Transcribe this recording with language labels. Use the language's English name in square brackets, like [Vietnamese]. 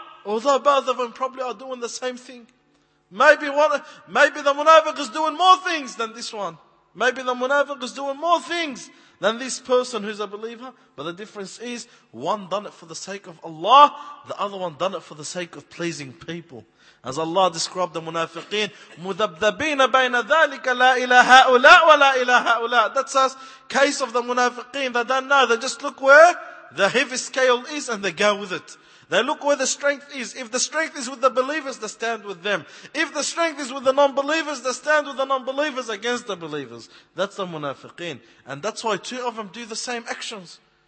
[English] Although both of them probably are doing the same thing. Maybe the munafiq is doing more things than this one. Maybe the munafiq is doing more things than this person who's a believer. But the difference is, one done it for the sake of Allah, the other one done it for the sake of pleasing people. [Arabic] As Allah described the munafiqeen, مُذَبْذَبِينَ بَيْنَ ذَلِكَ لَا إِلَى هَؤُلَاء وَلَا إِلَى هَؤُلَاء. [English] That's us. Case of the munafiqeen. They don't know. They just look where the heavy scale is and they go with it. They look where the strength is. If the strength is with the believers, they stand with them. If the strength is with the non-believers, they stand with the non-believers against the believers. That's the munafiqeen. And that's why two of them do the same actions.